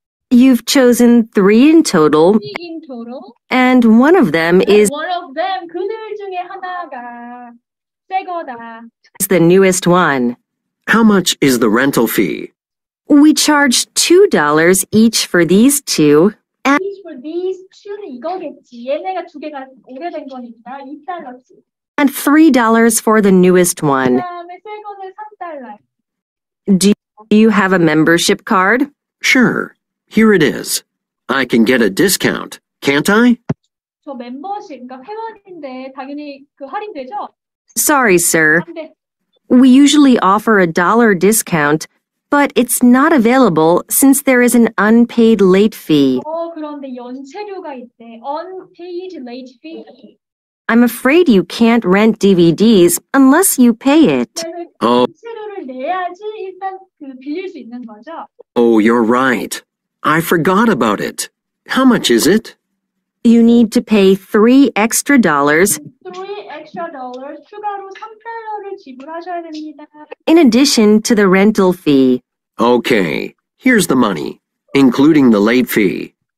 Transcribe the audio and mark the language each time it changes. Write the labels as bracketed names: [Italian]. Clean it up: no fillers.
[English] You've chosen three in total. Three in total. And one of them is. One of them [Korean] 그들 중에 하나가 새 거다. [English] It's the newest one. How much is the rental fee? We charge $2 each for these two. And each for these two는 [Korean] 이거겠지. 얘네가 두 개가 오래된 거니까 2달러지. [English] And $3 for the newest one. [Korean] 그다음에 새 거는 3달러. [English] Do you have a membership card? Sure. Here it is. I can get a discount, can't I? [Korean] 저 멤버십, 그러니까 회원인데 당연히 그 할인되죠? [English] Sorry, sir. [Korean] 근데 [English] We usually offer a dollar discount. But it's not available since there is an unpaid late fee. [Korean] 어, 그런데 연체료가 있대. [English] Unpaid late fee. I'm afraid you can't rent DVDs unless you pay it. [Korean] 연체료를 내야지 일단 그 빌릴 수 있는 거죠. [English] Oh, you're right. I forgot about it. How much is it? You need to pay $3 extra. $3 extra [Korean] 추가로 3달러를 지불하셔야 됩니다. [English] In addition to the rental fee. Okay, here's the money, including the late fee.